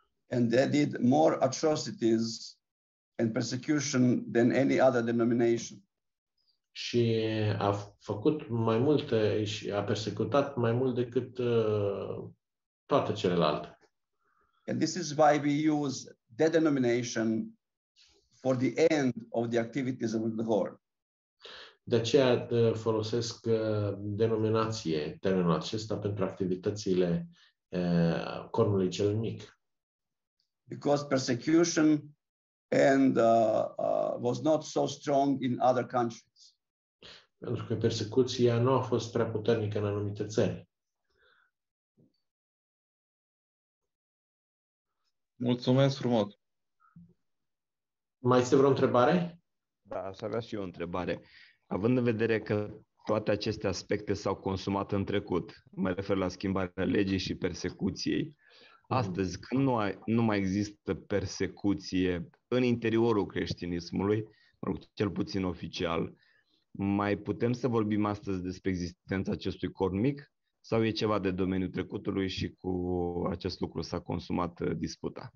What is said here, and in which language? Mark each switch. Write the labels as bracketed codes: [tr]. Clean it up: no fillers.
[en] And they did more atrocities and persecution than any other denomination. [ro] Și a făcut mai multe și a persecutat mai mult decât toate celelalte. [en] And this is why we use that denomination for the end of the activities of the Horn. [ro] De aceea folosesc denominație, termenul acesta, pentru activitățile cornului cel mic. [en] Because persecution and was not so strong in other countries. [ro] Pentru că persecuția nu a fost prea puternică în anumite țări. Mulțumesc frumos. Mai este vreo întrebare? Da, să avea și eu o întrebare. Având în vedere că toate aceste aspecte s-au consumat în trecut, mă refer la schimbarea legii și persecuției, astăzi, când nu mai există persecuție în interiorul creștinismului, cel puțin oficial, mai putem să vorbim astăzi despre existența acestui corn mic sau e ceva de domeniul trecutului și cu acest lucru s-a consumat disputa?